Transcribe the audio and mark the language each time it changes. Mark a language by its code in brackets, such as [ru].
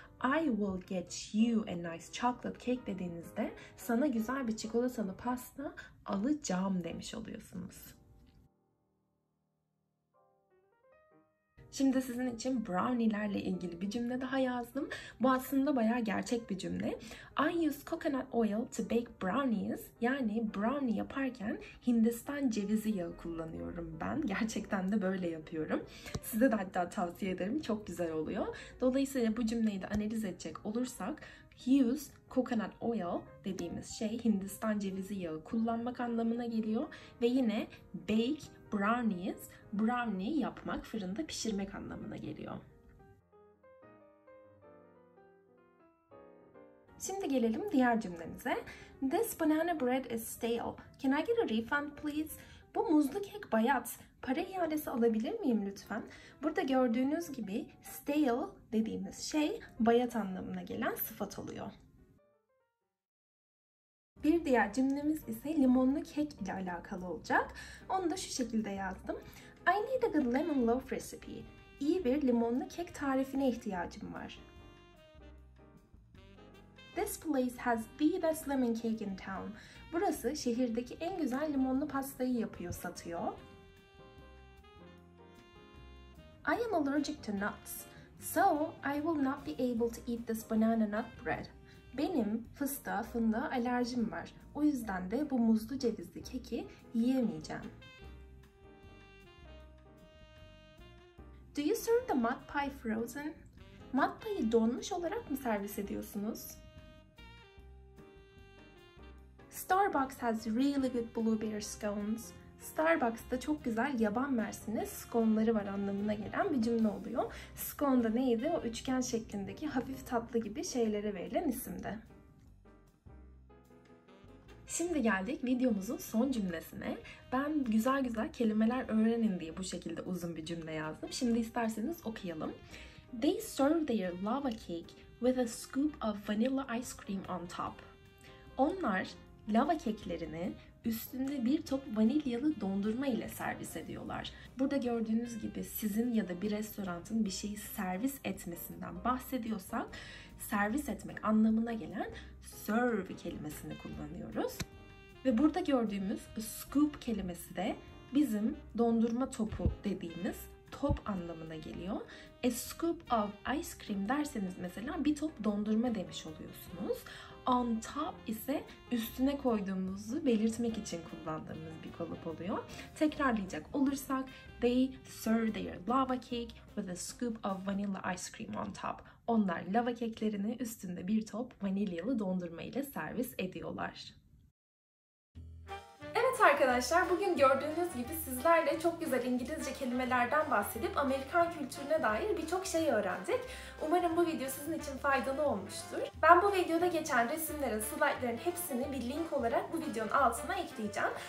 [en] I will get you a nice chocolate cake [tr] dediğinizde sana güzel bir çikolatalı pasta alacağım demiş oluyorsunuz. Şimdi sizin için brownie'lerle ilgili bir cümle daha yazdım. Bu aslında bayağı gerçek bir cümle. [en] I use coconut oil to bake brownies. [tr] Yani brownie yaparken Hindistan cevizi yağı kullanıyorum ben. Gerçekten de böyle yapıyorum. Size de hatta tavsiye ederim. Çok güzel oluyor. Dolayısıyla bu cümleyi de analiz edecek olursak [en] use coconut oil [tr] dediğimiz şey Hindistan cevizi yağı kullanmak anlamına geliyor. Ve yine [en] bake brownies, [tr] brownie yapmak, fırında pişirmek anlamına geliyor. Şimdi gelelim diğer cümlemize. [en] This banana bread is stale. Can I get a refund please? [tr] Bu muzlu kek bayat. Para iadesi alabilir miyim lütfen? Burada gördüğünüz gibi stale dediğimiz şey bayat anlamına gelen sıfat oluyor. Bir diğer cümlemiz ise limonlu kek ile alakalı olacak. Onu da şu şekilde yazdım. [en] I need a good lemon loaf recipe. [tr] İyi bir limonlu kek tarifine ihtiyacım var. [en] This place has the best lemon cake in town. [tr] Burası şehirdeki en güzel limonlu pastayı yapıyor, satıyor. [en] I am allergic to nuts. So I will not be able to eat this banana nut bread. [tr] Benim fıstığa, fındığa alerjim var. O yüzden de bu muzlu cevizli keki yiyemeyeceğim. [en] Do you serve the mud pie frozen? [tr] Mud pie'yi donmuş olarak mı servis ediyorsunuz? [en] Starbucks has really good blueberry scones. [tr] Starbucks'ta çok güzel yaban mersini scone'ları var anlamına gelen bir cümle oluyor. Scone da neydi? O üçgen şeklindeki hafif tatlı gibi şeylere verilen isimdi. Şimdi geldik videomuzun son cümlesine. Ben güzel güzel kelimeler öğrenin diye bu şekilde uzun bir cümle yazdım. Şimdi isterseniz okuyalım. [en] They serve their lava cake with a scoop of vanilla ice cream on top. [tr] Onlar lava keklerini üstünde bir top vanilyalı dondurma ile servis ediyorlar. Burada gördüğünüz gibi sizin ya da bir restoranın bir şeyi servis etmesinden bahsediyorsak servis etmek anlamına gelen serve kelimesini kullanıyoruz. Ve burada gördüğümüz scoop kelimesi de bizim dondurma topu dediğimiz top anlamına geliyor. [en] A scoop of ice cream [tr] derseniz mesela bir top dondurma demiş oluyorsunuz. On top ise üstüne koyduğumuzu belirtmek için kullandığımız bir kalıp oluyor. Tekrarlayacak olursak, [en] they serve their lava cake with a scoop of vanilla ice cream on top. [tr] Onlar lava keklerini üstünde bir top vanilyalı dondurma ile servis ediyorlar. Arkadaşlar, bugün gördüğünüz gibi sizlerle çok güzel İngilizce kelimelerden bahsedip Amerikan kültürüne dair birçok şey öğrendik. Umarım bu video sizin için faydalı olmuştur. Ben bu videoda geçen resimlerin, slaytların hepsini bir link olarak bu videonun altına ekleyeceğim.